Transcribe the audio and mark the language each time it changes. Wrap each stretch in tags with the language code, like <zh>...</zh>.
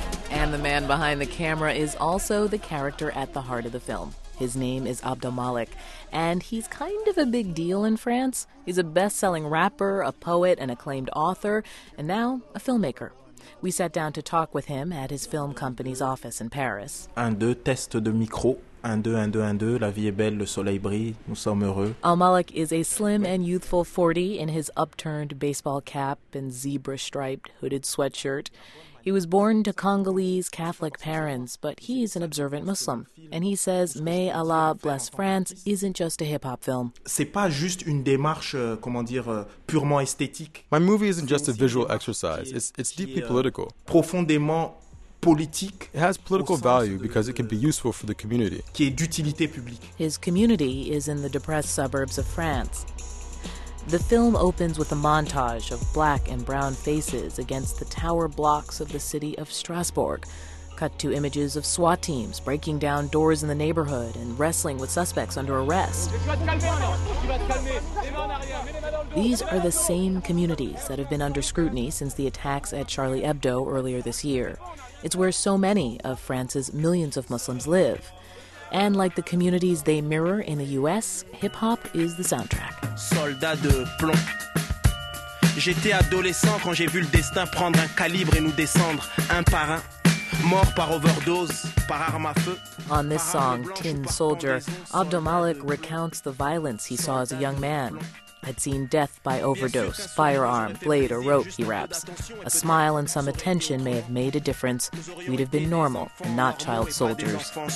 <en>And the man behind the camera is also the character at the heart of the film. His name is Abdelmalek, and he's kind of a big deal in France. He's a best-selling rapper, a poet, an acclaimed author, and now a filmmaker. We sat down to talk with him at his film company's office in Paris.</en> <fr>Un, deux, test de micro. Un, deux, un, deux, un, deux. La vie est belle, le soleil brille, nous sommes heureux.</fr> <en>Abdelmalek is a slim and youthful 40 in his upturned baseball cap and zebra-striped hooded sweatshirt. He was born to Congolese Catholic parents, but he's an observant Muslim. And he says May Allah Bless France isn't just a hip-hop film.</en> <fr>C'est pas juste une démarche, comment dire, purement esthétique.</fr> <en>My movie isn't just a visual exercise. It's deeply political.</en> <fr>Profondément politique.</fr> <en>It has political value because it can be useful for the community.</en> <fr>Qui est d'utilité publique.</fr> <en>His community is in the depressed suburbs of France. The film opens with a montage of black and brown faces against the tower blocks of the city of Strasbourg. Cut to images of SWAT teams breaking down doors in the neighborhood and wrestling with suspects under arrest. These are the same communities that have been under scrutiny since the attacks at Charlie Hebdo earlier this year. It's where so many of France's millions of Muslims live. And like the communities they mirror in the U.S., hip-hop is the soundtrack.</en> <fr>Soldat de plomb. J'étais adolescent quand j'ai vu le destin prendre un calibre et nous descendre un par un. Mort par overdose, par arme à feu.</fr> <en>On this song, Tin Soldier, Abdelmalek recounts the violence he saw as a young man. Had seen death by overdose, firearm, blade, or rope, he raps. A smile and some attention may have made a difference. We'd have been normal, not child soldiers.</en>